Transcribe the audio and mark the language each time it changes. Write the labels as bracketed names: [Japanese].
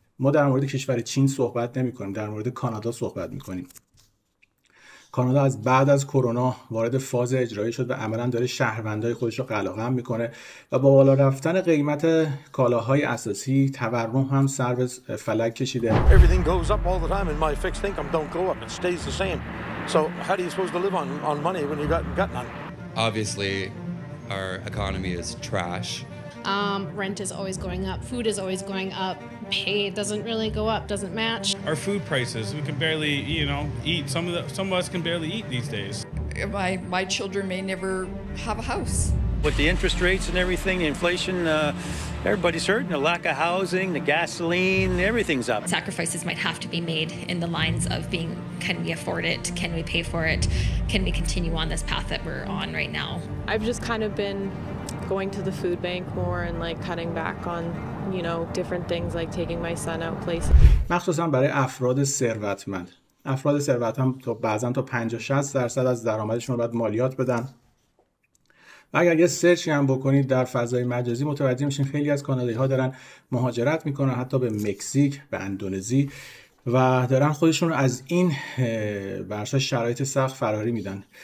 [Persian] ما در مورد کشور چین صحبت نمی کنیم، در مورد کانادا صحبت می کنیم. کانادا از بعد از کرونا وارد فاز اجرایی شد و عملا داره شهروندای خودش رو قلقم می کنه و با بالا رفتن قیمت کالاهای اساسی تورم هم سر به فلک کشیده. [English] Everything goes up all the time and my fixed income don't go up, it stays the same. So how are you supposed to live on money when you got none? Obviously our economy is trash. Rent is always going up, food is always going up, pay doesn't really go up, doesn't match. Our food prices, we can barely, you know, eat. Some of us can barely eat these days. My children may never have a house. With the interest rates and everything, the inflation, everybody's hurting. The lack of housing, the gasoline, everything's up. Sacrifices might have to be made in the lines of being, can we afford it? Can we pay for it? Can we continue on this path that we're on right now? I've just kind of been going to the food bank more and like cutting back on, you know, different things like taking my son out places. [Persian] مخصوصا برای افراد ثروتمند. افراد ثروتمند بعضا تا 50-60% از درآمدشون رو باید مالیات بدن. و اگر یه سرچی هم بکنید در فضای مجازی متوجه میشین خیلی از کانادایی‌ها دارن مهاجرت میکنن حتی به مکزیک، به اندونزی و دارن خودشون رو از این برسا شرایط سخت فراری میدن.